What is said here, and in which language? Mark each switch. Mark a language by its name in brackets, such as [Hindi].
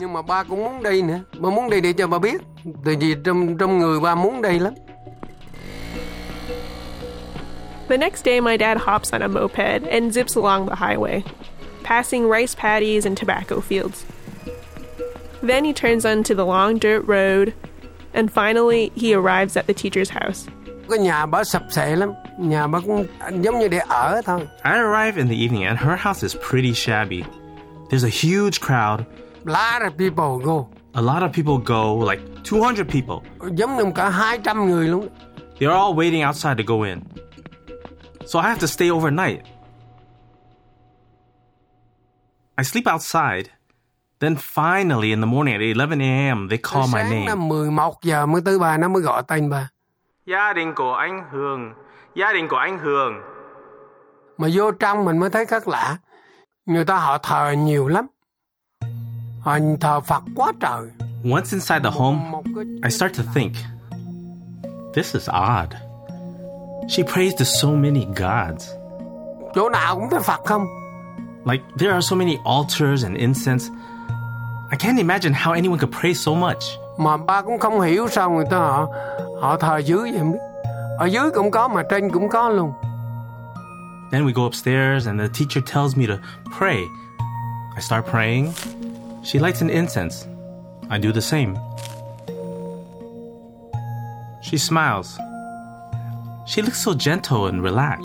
[Vietnamese] Nhưng mà ba cũng muốn đi nữa. Ba muốn đi để cho ba biết. Tại vì trong người ba muốn đi lắm. [English] The next day, my dad hops on a moped and zips along the highway, passing rice paddies and tobacco fields. Then he turns onto the long dirt road, and finally, he arrives at the teacher's house. [Vietnamese] Cái nhà bà sập sệ lắm. Nhà bà cũng giống như để ở thôi. [English] I arrive in the evening, and her house is pretty shabby. There's a huge crowd. A lot of people go. A lot of people go, like 200 people. [Vietnamese] Giống như cả 200 người luôn. [English] They're all waiting outside to go in. So I have to stay overnight. I sleep outside. Then finally, in the morning at 11 a.m., they call my name. [Vietnamese] Sáng 11 giờ mới tới bà, nó mới gọi tên bà. Gia đình của anh Hường. Gia đình của anh Hường. Mà vô trong mình mới thấy khác lạ. Người ta họ thờ nhiều lắm. Họ thờ Phật quá trời. [English] Once inside the home, I start to think, this is odd. She prays to so many gods. [Vietnamese] Chỗ nào cũng thấy Phật không? [English] Like, there are so many altars and incense. I can't imagine how anyone could pray so much. [Vietnamese] Mà ba cũng không hiểu sao người ta họ thờ dưới vậy. Ở dưới cũng có mà trên cũng có luôn. [English] Then we go upstairs and the teacher tells me to pray. I start praying. She lights an incense. I do the same. She smiles. She looks so gentle and relaxed.